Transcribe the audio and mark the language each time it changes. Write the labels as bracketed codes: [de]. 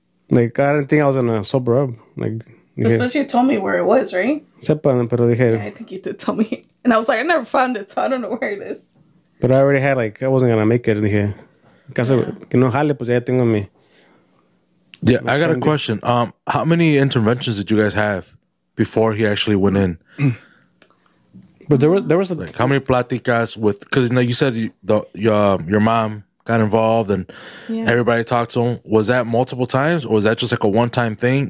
[en] Like, I didn't think I was gonna sober up. Especially you told me where it was, right? [es] Sepan, pero dije... [en] Yeah, I think you did tell me. And I was like, I never found it, so I don't know where it is. But I already had, like, I wasn't gonna make it. [es] Dije, en caso que no jale, pues ya tengo mi... [en] Yeah, I got a question. How many interventions did you guys have before he actually went in? But there was a... Like, how many pláticas with... Because, you know, you said your mom got involved and everybody talked to him. Was that multiple times? Or was that just like a one-time thing?